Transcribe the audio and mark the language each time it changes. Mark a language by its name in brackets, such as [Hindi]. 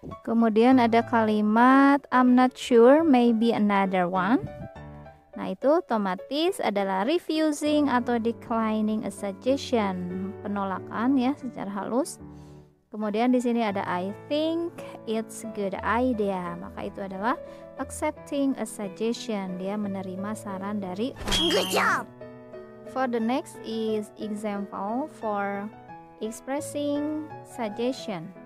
[Indonesian] Kemudian ada kalimat [English] I'm not sure, maybe another one. [Indonesian] Nah, itu otomatis adalah refusing atau [English] declining a suggestion, [Indonesian] penolakan ya secara halus. Kemudian di sini ada [English] I think it's a good idea. [Indonesian] Maka itu adalah [English] accepting a suggestion. [Indonesian] Dia menerima saran dari orang lain. [English] Good job. For the next is example for expressing suggestion.